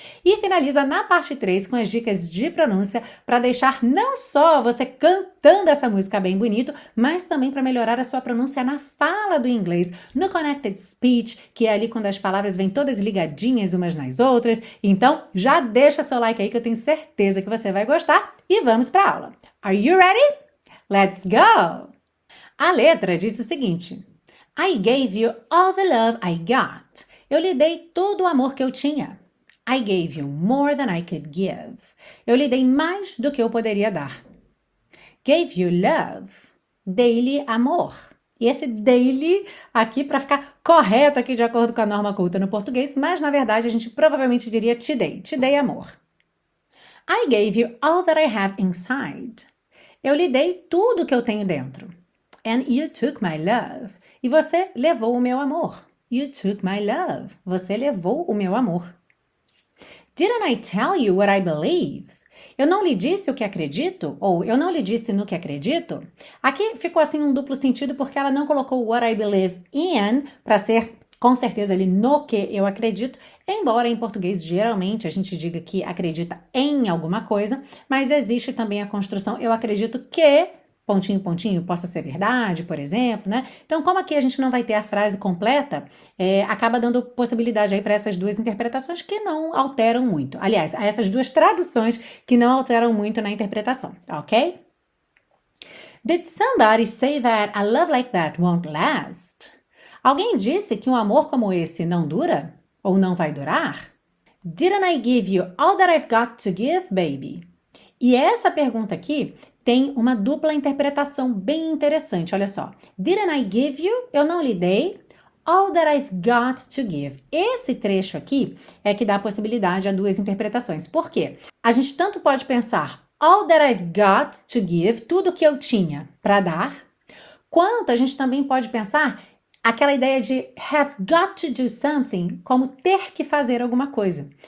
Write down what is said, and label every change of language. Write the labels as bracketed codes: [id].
[pt] E finaliza na parte 3, com as dicas de pronúncia, para deixar não só você cantando essa música bem bonito, mas também para melhorar a sua pronúncia na fala do inglês, no Connected Speech, que é ali quando as palavras vêm todas ligadas, ligadinhas umas nas outras. Então, já deixa seu like aí que eu tenho certeza que você vai gostar e vamos para aula. [en] Are you ready? Let's go! [pt] A letra diz o seguinte: [en] I gave you all the love I got. [pt] Eu lhe dei todo o amor que eu tinha. [en] I gave you more than I could give. [pt] Eu lhe dei mais do que eu poderia dar. [en] Gave you love. [pt] Dei-lhe amor. E esse daily aqui para ficar correto aqui de acordo com a norma culta no português, mas na verdade a gente provavelmente diria te dei amor. [en] I gave you all that I have inside. [pt] Eu lhe dei tudo que eu tenho dentro. [en] And you took my love. [pt] E você levou o meu amor. [en] You took my love. [pt] Você levou o meu amor. [en] Didn't I tell you what I believe? [pt] Eu não lhe disse o que acredito, ou eu não lhe disse no que acredito. Aqui ficou assim um duplo sentido porque ela não colocou [en] what I believe in [pt] para ser com certeza ali no que eu acredito, embora em português geralmente a gente diga que acredita em alguma coisa, mas existe também a construção eu acredito que pontinho, pontinho, possa ser verdade, por exemplo, né? Então, como aqui a gente não vai ter a frase completa, acaba dando possibilidade aí para essas duas interpretações que não alteram muito. Aliás, a essas duas traduções que não alteram muito na interpretação, ok? [en] Did somebody say that a love like that won't last? [pt] Alguém disse que um amor como esse não dura? Ou não vai durar? [en] Didn't I give you all that I've got to give, baby? [pt] E essa pergunta aqui tem uma dupla interpretação bem interessante, olha só. [en] Didn't I give you? [pt] Eu não lhe dei. [en] All that I've got to give. [pt] Esse trecho aqui é que dá a possibilidade a duas interpretações. Por quê? A gente tanto pode pensar [en] all that I've got to give, [pt] tudo que eu tinha para dar, quanto a gente também pode pensar aquela ideia de [en] have got to do something, [pt] como ter que fazer alguma coisa.